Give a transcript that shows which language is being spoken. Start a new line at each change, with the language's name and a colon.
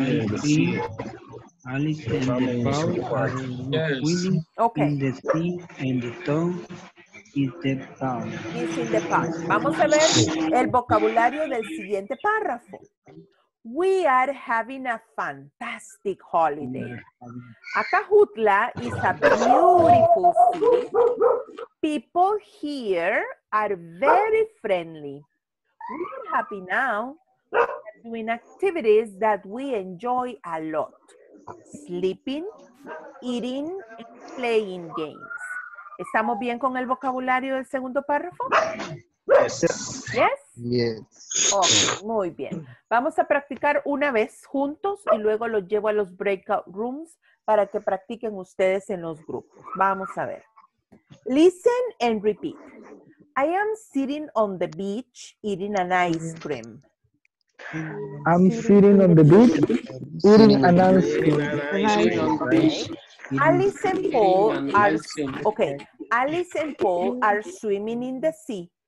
English: Alice and Paul are swimming in the sea and Tom is in the park. Is in the park.
Spanish: Vamos a ver el vocabulario del siguiente párrafo.
English: We are having a fantastic holiday. Acajutla is a beautiful city. People here are very friendly. We are happy now. We are doing activities that we enjoy a lot. Sleeping, eating, and playing games.
Spanish: ¿Estamos bien con el vocabulario del segundo párrafo?
English: Yes. Yes. Okay,
Spanish: muy bien. Vamos a practicar una vez juntos y luego los llevo a los breakout rooms para que practiquen ustedes en los grupos. Vamos a ver.
English: Listen and repeat. I am sitting on the beach eating an ice cream. I'm sitting on the beach eating an ice cream. Alice and Paul are Alice and Paul are swimming in the sea.